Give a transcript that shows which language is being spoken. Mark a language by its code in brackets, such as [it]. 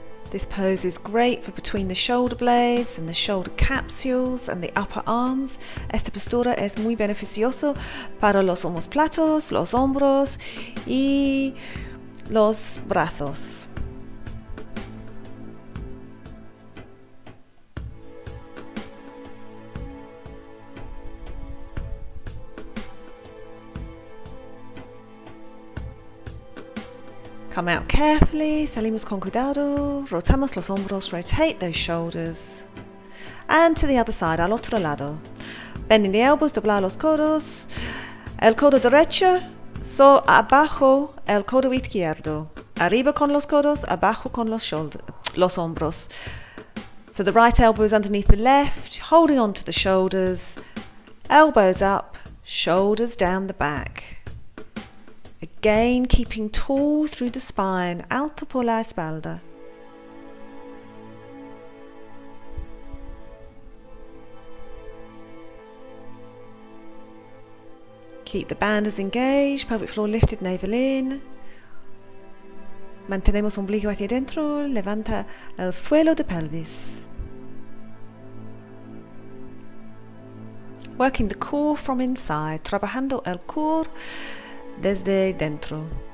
[en] This pose is great for between the shoulder blades and the shoulder capsules and the upper arms. [es] Esta postura es muy beneficioso para los omóplatos, los hombros y los brazos. [en] Come out carefully, [es] salimos con cuidado, rotamos los hombros, [en] rotate those shoulders. And to the other side, [es] al otro lado. [en] Bending the elbows, [es] doblar los codos. El codo derecho, abajo el codo izquierdo. Arriba con los codos, abajo con los hombros. [en] So the right elbow is underneath the left, holding on to the shoulders. Elbows up, shoulders down the back. Again, keeping tall through the spine, [es] alto por la espalda. [en] Keep the band as engaged, pelvic floor lifted, navel in. [es] Mantenemos ombligo hacia adentro, levanta el suelo de pelvis. [en] Working the core from inside, [es] trabajando el core desde dentro.